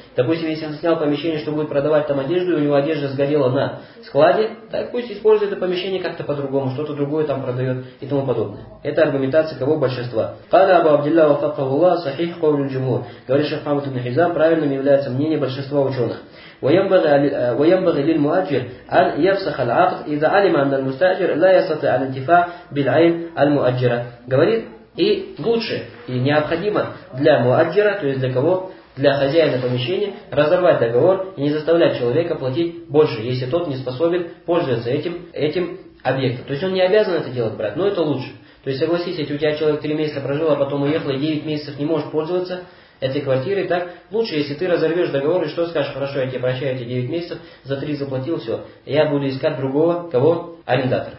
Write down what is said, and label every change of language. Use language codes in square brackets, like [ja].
[ru] Допустим, если он снял помещение, что будет продавать там одежду, и у него одежда сгорела на складе, так пусть использует это помещение как-то по-другому, что-то другое там продает и тому подобное. Это аргументация кого большинства. [ar] Кала Абу Абдилла ва Фаттахуллах сахих кавлю джуму. [ru] Говорит шейх Мухаммад ибн Хизам, правильным является мнение большинства ученых. [ar] وينبغي للمؤجر أن يفسخ العقد إذا علم أن المستأجر لا يستطيع الانتفاع بالعين المؤجرة. [ru] Говорит, и лучше, и необходимо для муаджира, то есть для кого? Для хозяина помещения, разорвать договор и не заставлять человека платить больше, если тот не способен пользоваться этим объектом. То есть он не обязан это делать, брат, но это лучше. То есть согласись, если у тебя человек 3 месяца прожил, а потом уехал и 9 месяцев не может пользоваться этой квартиры, так лучше, если ты разорвешь договор, и что скажешь, хорошо, я тебе прощаю эти 9 месяцев, за 3 заплатил, все, я буду искать другого, кого? Арендатора.